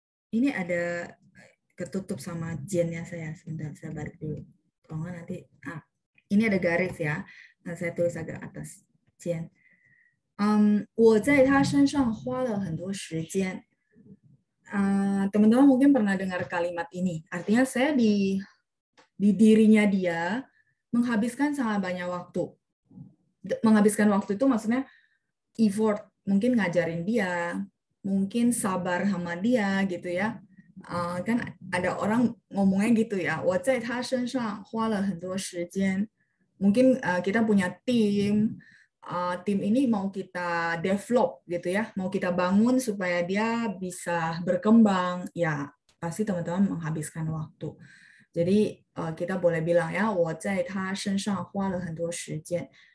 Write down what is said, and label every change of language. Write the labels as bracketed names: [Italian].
[Indonesian] Ini ada ketutup sama jennya saya. Sebentar, saya balik dulu. Kalau enggak nanti, ah, ini ada garis ya. Nah, saya tulis agak atas. Jen. [Chinese] 我在他身上花了很多时间. [Indonesian] Teman-teman mungkin pernah dengar kalimat ini. Artinya saya di dirinya dia menghabiskan sangat banyak waktu. Menghabiskan waktu itu maksudnya effort, mungkin ngajarin dia, mungkin sabar sama dia gitu ya. Kan ada orang ngomongnya gitu ya. [Chinese] 我在他身上花了很多时间. [Indonesian] Mungkin kita punya tim. Tim ini mau kita develop gitu ya, mau kita bangun supaya dia bisa berkembang, ya pasti teman-teman menghabiskan waktu. Jadi kita boleh bilang ya, [Chinese] 我在他身上花了很多时间.